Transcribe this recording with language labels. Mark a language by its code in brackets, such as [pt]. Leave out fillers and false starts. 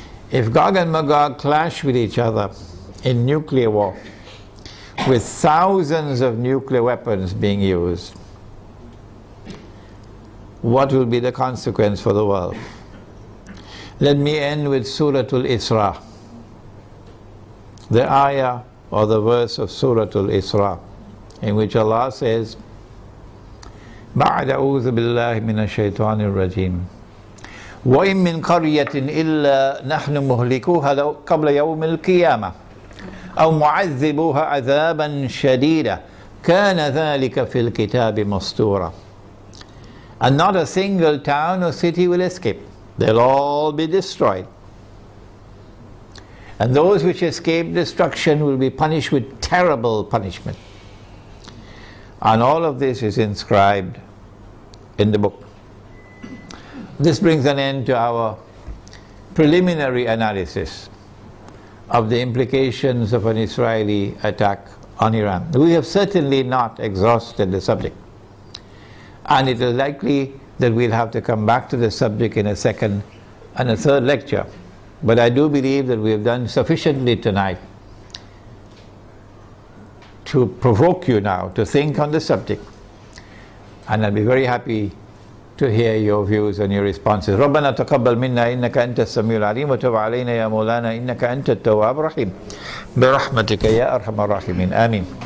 [en] If Gog and Magog clash with each other in nuclear war, with thousands of nuclear weapons being used, what will be the consequence for the world? Let me end with Surah Al-Isra. The ayah or the verse of Surah Al-Isra, in which Allah says, [ar] بَعْدَ أَعُوذُ بِاللَّهِ مِنَ الشَّيْطَانِ الرَّجِيمِ وَإِن مِّن قَرْيَةٍ إِلَّا نَحْنُ مُهْلِكُوهَا قَبْلَ يَوْمِ الْقِيَامَةِ أَوْ مُعَذِّبُوهَا عَذَابًا شَدِيدًا كَانَ ذَلِكَ فِي الْكِتَابِ مَسْطُورًا. [en] And not a single town or city will escape. They'll all be destroyed. And those which escape destruction will be punished with terrible punishment. And all of this is inscribed in the book. This brings an end to our preliminary analysis of the implications of an Israeli attack on Iran. We have certainly not exhausted the subject. And it is likely that we'll have to come back to the subject in a second and a third lecture. But I do believe that we have done sufficiently tonight to provoke you now to think on the subject. And I'll be very happy to hear your views and your responses. [ar] ربنا تقبل منا إنك أنت السميع العليم وتب علينا يا مولانا إنك أنت التواب الرحيم برحمتك يا أرحم الراحمين آمين.